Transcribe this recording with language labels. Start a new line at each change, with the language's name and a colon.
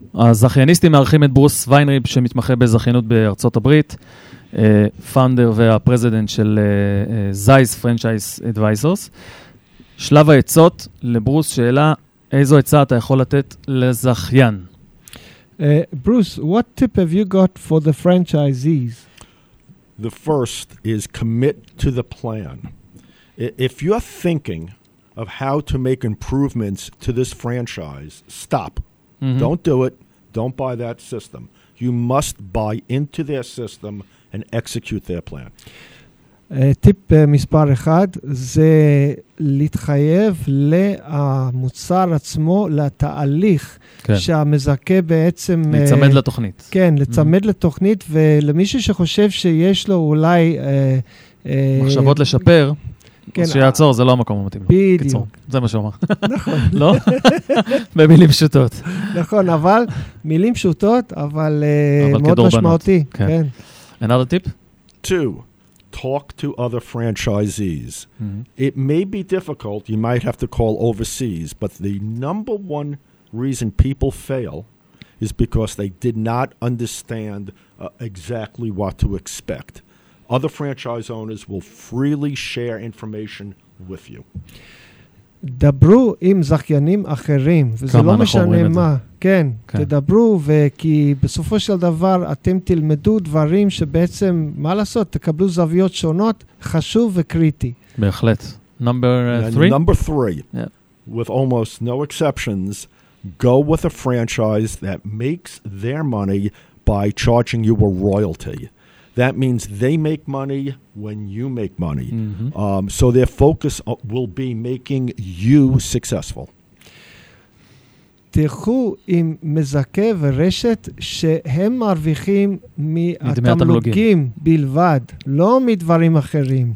Hebrew: הזכייניסטים מארחים את ברוס ויינריב, שמתמחה בזכיינות בארצות הברית, פאונדר והפרזידנט של זייז פרנצ'ייז אדוויזורס. שלב העצות לברוס, שאלה, איזו עצה אתה יכול לתת לזכיין?
English: ברוס, what tip have you got for the franchisees? The first is commit to the plan. If you're thinking of how to make improvements to this franchise, stop. Mm-hmm. Don't do it. Don't buy that system. You must buy into their system and execute their plan.
Hebrew: טיפ מספר אחד, זה להתחייב למוצר עצמו, לתהליך שהמזכה בעצם... לצמד לתוכנית. כן, לצמד לתוכנית, ולמישהו שחושב שיש לו אולי... מחשבות לשפר, שיעצור, זה לא המקום המתאים לו. בדיוק. זה מה שהוא אמר. נכון. לא? במילים פשוטות. נכון, אבל מילים פשוטות, אבל מאוד משמעותי. כן.
English: Another tip? Two. Talk to other franchisees. Mm-hmm. It may be difficult. You might have to call overseas. But the number one reason people fail is because they did not understand exactly what to expect. Other franchise owners will freely share information with you.
Hebrew: דברו עם זכיינים אחרים, וזה לא משנה מה. כן, תדברו, וכי בסופו של דבר אתם תלמדו דברים שבעצם, מה לעשות, תקבלו זוויות שונות, חשוב וקריטי. בהחלט.
English: Number three? Number three. With almost no exceptions, go with a franchise that makes their money by charging you a royalty. That means they make money when you make money. Mm-hmm. So their focus will be making you successful.
Hebrew: תלכו עם מזכה ורשת שהם מרוויחים מהתמלוגים בלבד, לא מדברים אחרים.